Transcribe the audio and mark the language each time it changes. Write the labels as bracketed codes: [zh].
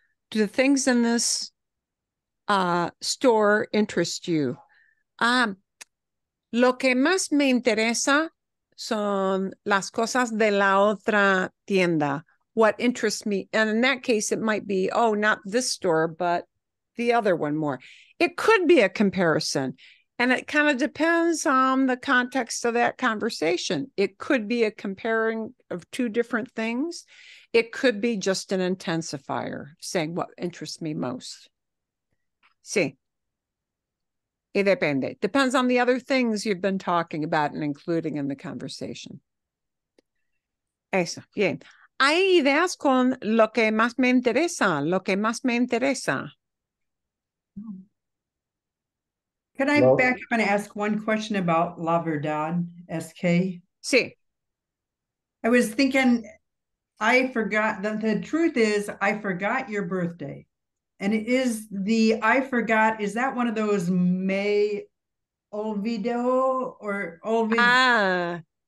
[en] Do the things in this store interest you? [es] Lo que más me interesa son las cosas de la otra tienda. [en] What interests me? And in that case, it might be, oh, not this store, but the other one more. It could be a comparison. And it kind of depends on the context of that conversation. It could be a comparing of two different things. It could be just an intensifier saying what interests me most. [es] Sí. Y depende. [en] Depends on the other things you've been talking about and including in the conversation. [es] Eso. Bien. Hay ideas con lo que más me interesa. Lo que más me interesa. [en] Can I back up and ask one question about La Verdad, SK? [es] Sí. [en] I was thinking, I forgot, the truth is, I forgot your birthday. And it is the, I forgot, is that one of those [es] me olvido [en] or olvido?